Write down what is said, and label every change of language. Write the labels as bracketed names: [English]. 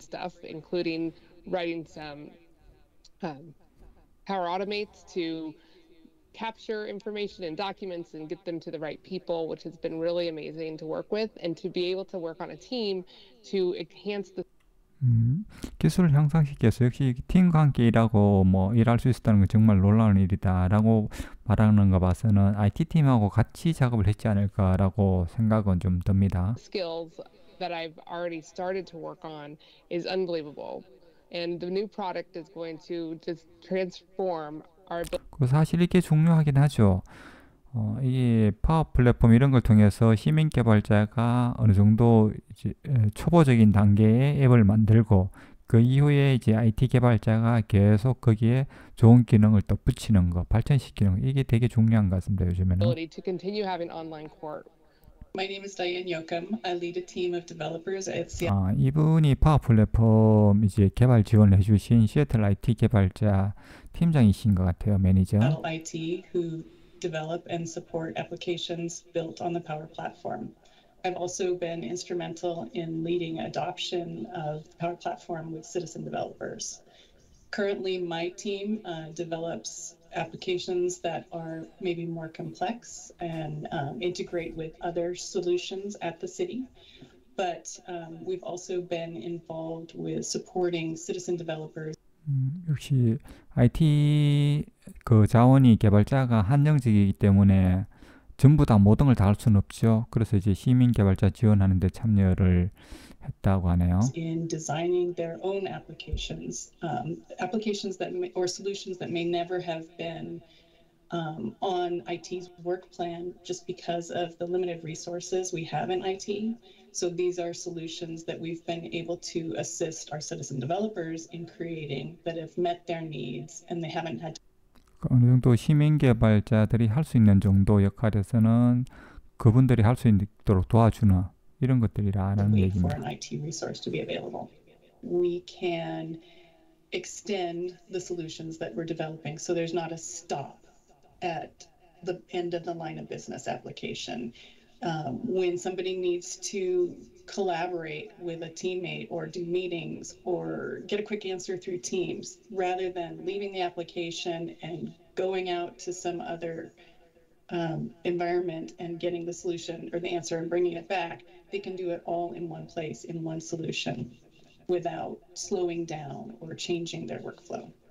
[English] Stuff including writing some Power Automates to capture information and documents and get them to the right people, which has been really amazing to work with and to be able to work on a team to enhance the [Korean] 기술을 향상시켜서 역시 팀과 함께 일하고 뭐 일할 수 있었다는 건 정말 놀라운 일이다라고 말하는 거 봐서는 IT 팀하고 같이 작업을 했지 않을까라고 생각은 좀 듭니다. [English] Skills that I've already started to work on is unbelievable. And the new product is going to just transform our [Korean] 그 사실 이게 중요하긴 하죠. 이 파워 플랫폼 이런 걸 통해서 시민 개발자가 어느 정도 이제 초보적인 단계의 앱을 만들고 그 이후에 이제 IT 개발자가 계속 거기에 좋은 기능을 또 붙이는 거, 발전시키는 거 이게 되게 중요한 것 같습니다. 요즘에는. [English] Ability to continue having online court. My name is Diane Yoakum. I lead a team of developers at Seattle. [Korean] 이분이 파워 플랫폼 이제 개발 지원을 해주신 시애틀 IT 개발자 팀장이신 것 같아요, 매니저. [English] IT who develop and support applications built on the Power platform. I've also been instrumental in leading adoption of the Power platform with citizen developers. Currently, my team develops applications that are maybe more complex and integrate with other solutions at the city. But we've also been involved with supporting citizen developers. [Korean] 역시 IT 그 자원이 개발자가 한정적이기 때문에 전부 다 모든 걸 다 할 수는 없죠. 그래서 이제 시민 개발자 지원하는 데 참여를 했다고 하네요. [English] In designing their own applications, applications that may, or solutions that may never have been on IT's work plan just because of the limited resources we have in IT. So these are solutions that we've been able to assist our citizen developers in creating that have met their needs and they haven't had to [Korean] 어느 정도 시민 개발자들이 할 수 있는 정도 역할에서는 그분들이 할 수 있도록 도와주는 이런 것들이라는 얘기입니다. [English] For an IT resource to be available. We can extend the solutions that we're developing so there's not a stop at the end of the line of business application. When somebody needs to collaborate with a teammate or do meetings or get a quick answer through Teams, rather than leaving the application and going out to some other environment and getting the solution or the answer and bringing it back, they can do it all in one place, in one solution, without slowing down or changing their workflow.